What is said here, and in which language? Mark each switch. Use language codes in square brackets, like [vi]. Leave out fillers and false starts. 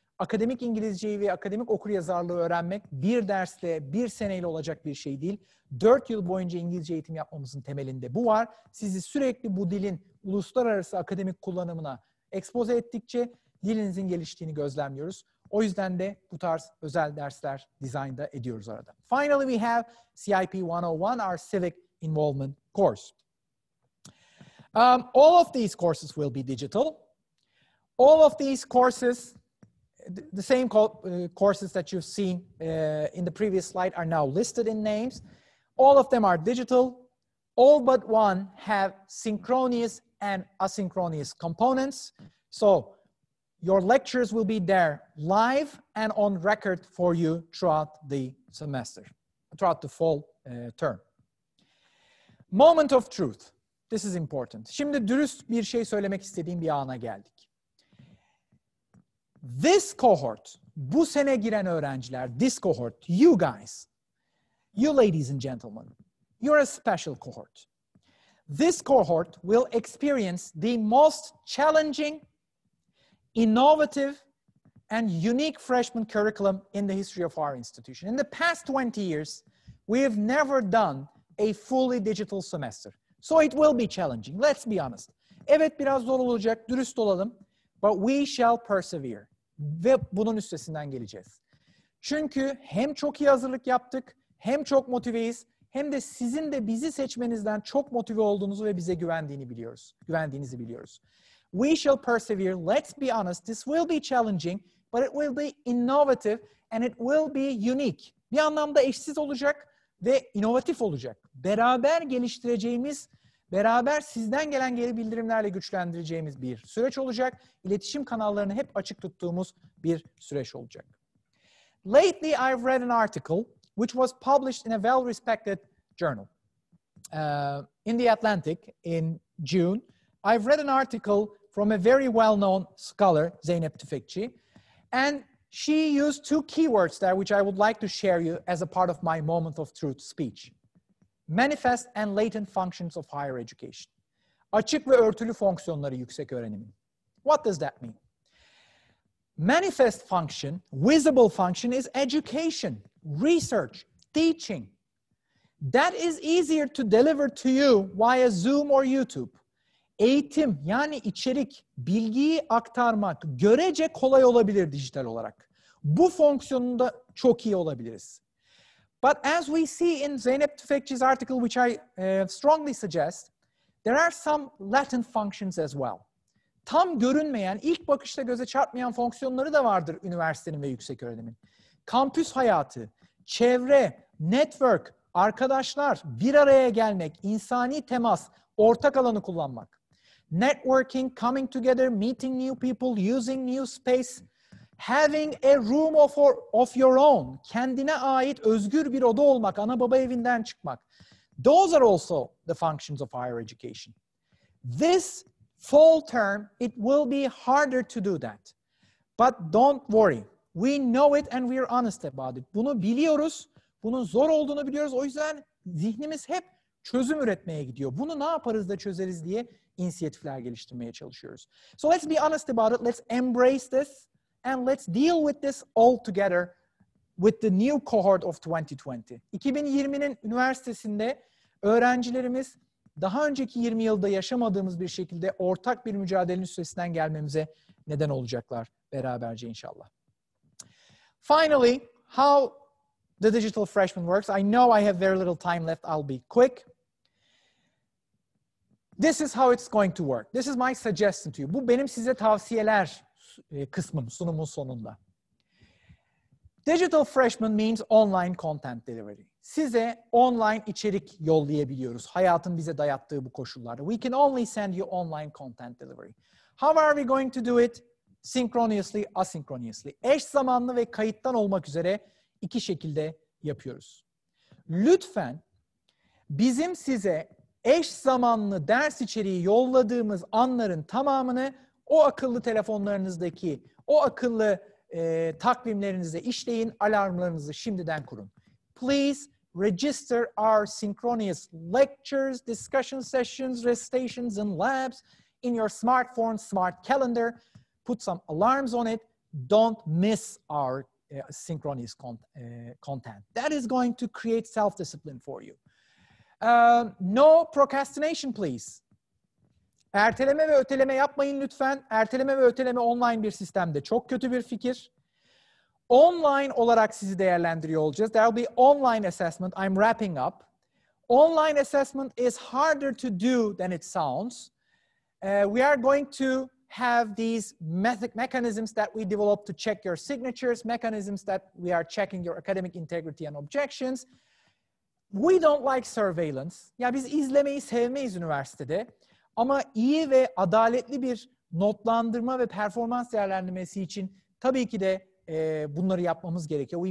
[tr] Akademik İngilizceyi ve akademik okuryazarlığı öğrenmek bir derste, bir seneyle olacak bir şey değil. 4 yıl boyunca İngilizce eğitim yapmamızın temelinde bu var. Sizi sürekli bu dilin uluslararası akademik kullanımına expose ettikçe dilinizin geliştiğini gözlemliyoruz. O yüzden de bu tarz özel dersler dizayn da ediyoruz arada. [en] Finally we have CIP 101, our civic involvement course. All of these courses will be digital. All of these courses, the same courses that you've seen in the previous slide are now listed in names. All of them are digital. All but one have synchronous and asynchronous components. So your lectures will be there live and on record for you throughout the semester, throughout the fall term. Moment of truth. This is important. [tr] Şimdi dürüst bir şey söylemek istediğim bir ana geldik. [en] This cohort, [tr] bu sene giren öğrenciler, [en] this cohort, you guys, you ladies and gentlemen, you're a special cohort. This cohort will experience the most challenging, innovative, and unique freshman curriculum in the history of our institution. In the past 20 years, we have never done a fully digital semester. So it will be challenging, let's be honest. [tr] Evet, biraz zor olacak, dürüst olalım. [en] But we shall persevere. [tr] Ve bunun üstesinden geleceğiz. Çünkü hem çok iyi hazırlık yaptık, hem çok motiveyiz, hem de sizin de bizi seçmenizden çok motive olduğunuzu ve bize güvendiğinizi biliyoruz. [en] We shall persevere, let's be honest, this will be challenging, but it will be innovative and it will be unique. [tr] Bir anlamda eşsiz olacak ve inovatif olacak. Beraber geliştireceğimiz, beraber sizden gelen geri bildirimlerle güçlendireceğimiz bir süreç olacak. İletişim kanallarını hep açık tuttuğumuz bir süreç olacak. [en] Lately I've read an article which was published in a well-respected journal. In The Atlantic in June, I've read an article from a very well-known scholar, Zeynep Tüfekçi, and she used two keywords there which I would like to share you as a part of my moment of truth speech. Manifest and latent functions of higher education. [tr] Açık ve örtülü fonksiyonları yüksek öğrenimin. [en] What does that mean? Manifest function, visible function is education, research, teaching. That is easier to deliver to you via Zoom or YouTube. [tr] Eğitim, yani içerik, bilgiyi aktarmak görece kolay olabilir dijital olarak. Bu fonksiyonunda çok iyi olabiliriz. [en] But as we see in Zeynep Tüfekçi's article, which I strongly suggest, there are some latent functions as well. [tr] Tam görünmeyen, ilk bakışta göze çarpmayan fonksiyonları da vardır üniversitenin ve yüksek öğrenimin. Kampüs hayatı, çevre, network, arkadaşlar, bir araya gelmek, insani temas, ortak alanı kullanmak. [en] Networking, coming together, meeting new people, using new space. Having a room of your own, [tr] kendine ait özgür bir oda olmak, ana baba evinden çıkmak. [en] Those are also the functions of higher education. This fall term, it will be harder to do that. But don't worry. We know it and we are honest about it. [tr] Bunu biliyoruz, bunun zor olduğunu biliyoruz. O yüzden zihnimiz hep çözüm üretmeye gidiyor. Bunu ne yaparız da çözeriz diye inisiyatifler geliştirmeye çalışıyoruz. [en] So let's be honest about it. Let's embrace this. And let's deal with this all together with the new cohort of 2020. [tr] 2020'nin üniversitesinde öğrencilerimiz daha önceki 20 yılda yaşamadığımız bir şekilde ortak bir mücadelenin üstesinden gelmemize neden olacaklar beraberce inşallah. [en] Finally, how the digital freshman works. I know I have very little time left. I'll be quick. This is how it's going to work. This is my suggestion to you. [tr] Bu benim size tavsiyeler kısmım, sunumun sonunda. [en] Digital freshman means online content delivery. [tr] Size online içerik yollayabiliyoruz. Hayatın bize dayattığı bu koşullarda. [en] We can only send you online content delivery. How are we going to do it? Synchronously, asynchronously. [tr] Eş zamanlı ve kayıttan olmak üzere iki şekilde yapıyoruz. Lütfen bizim size eş zamanlı ders içeriği yolladığımız anların tamamını o akıllı telefonlarınızdaki, o akıllı takvimlerinize işleyin, alarmlarınızı şimdiden kurun. [en] Please register our synchronous lectures, discussion sessions, recitations and labs in your smartphone, smart calendar. Put some alarms on it. Don't miss our synchronous content. That is going to create self-discipline for you. No procrastination, please. [tr] Erteleme ve öteleme yapmayın lütfen. Erteleme ve öteleme online bir sistemde çok kötü bir fikir. Online olarak sizi değerlendiriyor olacağız. [en] There will be online assessment. I'm wrapping up. Online assessment is harder to do than it sounds. We are going to have these mechanisms that we developed to check your signatures, mechanisms that we are checking your academic integrity and objections. We don't like surveillance. [tr] Ya biz izlemeyi sevmeyiz üniversitede. Ama iyi ve adaletli bir notlandırma ve performans değerlendirmesi için tabii ki de bunları yapmamız gerekiyor.